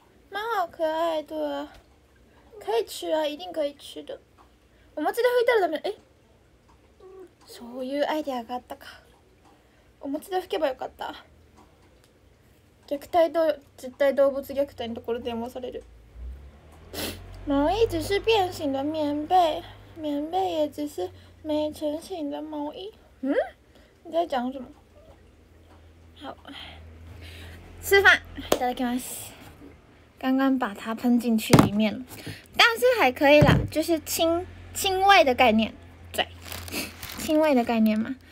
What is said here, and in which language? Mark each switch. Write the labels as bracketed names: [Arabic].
[Chinese] 蛮好可爱的，可以吃啊，一定可以吃的。 [Japanese] お餅で拭いたらダメ。え？そういうアイデアがあったか。お餅で拭けばよかった。虐待動、絶対動物虐待のところで電話される。 [Chinese] 毛衣只是变形的棉被，棉被也只是。没成型的毛衣。嗯，你在讲什么？好，吃饭，いただきます。刚刚把它喷进去里面了，但是还可以啦，就是清胃的概念，对，清胃的概念嘛。